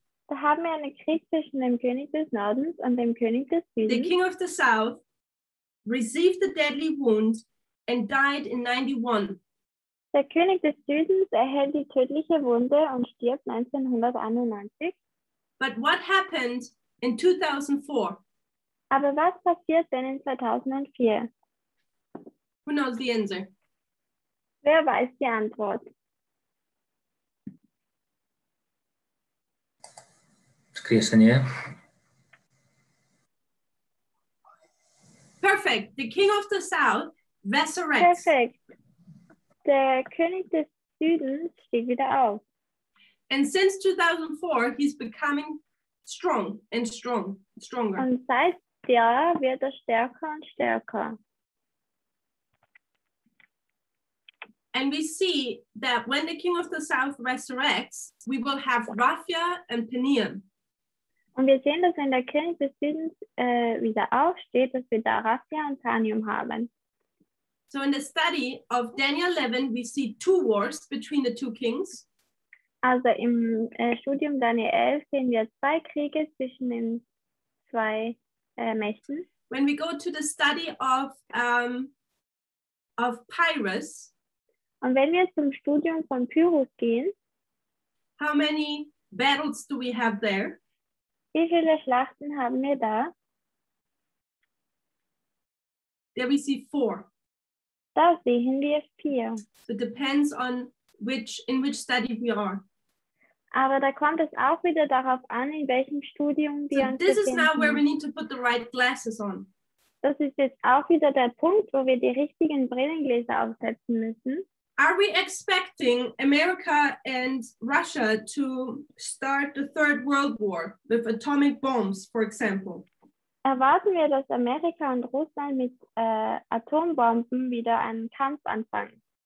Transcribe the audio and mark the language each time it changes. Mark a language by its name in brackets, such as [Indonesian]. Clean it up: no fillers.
[German] Da haben wir einen Krieg zwischen dem König des Nordens und dem König des Südens. [English] The king of the south received a deadly wound and died in 91. [German] Der König des Südens erhält die tödliche Wunde und stirbt 1991. [English] But what happened in 2004? [German] Aber was passiert denn in 2004? [English] Who knows the answer? [German] Wer weiß die Antwort? [English] Perfect. The king of the south resurrects. [German] Perfect. Der König des Südens steht wieder auf. [English] And since 2004, he's becoming strong and stronger. [German] Und seit Jahr wird stärker und stärker. [English] And we see that when the king of the south resurrects, we will have Raphia and Peneum. [German] Und wir sehen, dass wenn der König des Südens wieder aufsteht, dass wir da Raphia und Peneum haben. [English] So in the study of Daniel 11, we see two wars between the two kings. [German] Also im Studium Daniel 11 sehen wir zwei Kriege zwischen den zwei Mächten. [English] When we go to the study of Pyrrhus. [German] Und wenn wir zum Studium von Pyrrhus gehen. [English] How many battles do we have there? [German] Wie viele Schlachten haben wir da? [English] There we see four. [German] Da sehen wir vier. [English] So it depends on in which study we are. [German] Aber da kommt es auch wieder darauf an, in welchem Studium wir uns befinden. [English] So this is now where we need to put the right glasses on. [German] Das ist jetzt auch wieder der Punkt, wo wir die richtigen Brillengläser aufsetzen müssen. [English] Are we expecting America and Russia to start the Third World War with atomic bombs, for example? [German] Erwarten wir, dass Amerika und Russland mit Atombomben wieder einen Kampf anfangen?